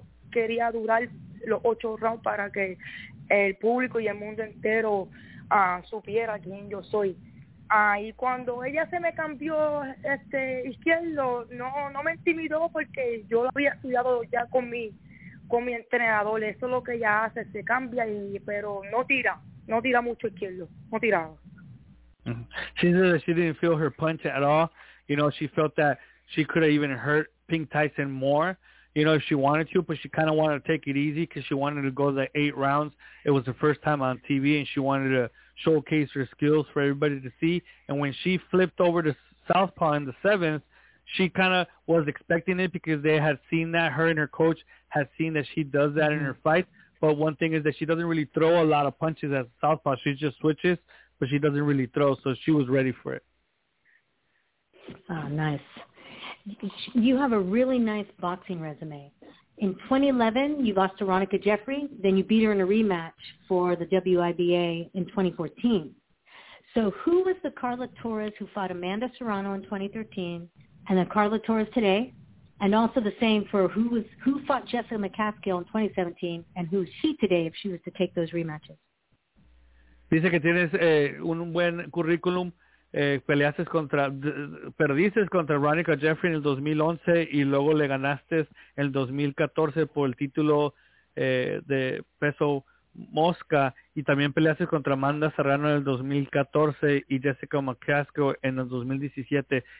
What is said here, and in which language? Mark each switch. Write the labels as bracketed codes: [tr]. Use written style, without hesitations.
[es] Quería durar los 8 rounds para que el público y el mundo entero supiera quién yo soy. Y cuando ella se me cambió izquierdo, no me intimidó porque yo lo había estudiado ya con mi entrenador. Eso es lo que ella hace, se cambia, pero no tira mucho izquierdo, no tiraba. [en] She said that she didn't feel her punch at all. You know, she felt that she could have even hurt Pink Tyson more, you know, if she wanted to, but she kind of wanted to take it easy because she wanted to go the 8 rounds. It was her first time on TV, and she wanted to showcase her skills for everybody to see. And when she flipped over to Southpaw in the 7th, she kind of was expecting it because they had seen that, her and her coach had seen that she does that in her fights. But one thing is that she doesn't really throw a lot of punches at Southpaw. She just switches, but she doesn't really throw, so she was ready for it. Oh, nice. You have a really nice boxing resume. In 2011, you lost to Ronica Jeffrey, then you beat her in a rematch for the WIBA in 2014. So who was the Carla Torres who fought Amanda Serrano in 2013 and the Carla Torres today? And also the same for who fought Jessica McCaskill in 2017 and who is she today if she was to take those rematches? [es] Dice que tienes un buen currículum. Peleaste contra, perdiste contra Ronica Jeffrey en el 2011 y luego le ganaste en el 2014 por el título de peso mosca y también peleaste contra Amanda Serrano en el 2014 y Jessica McCaskill en el 2017.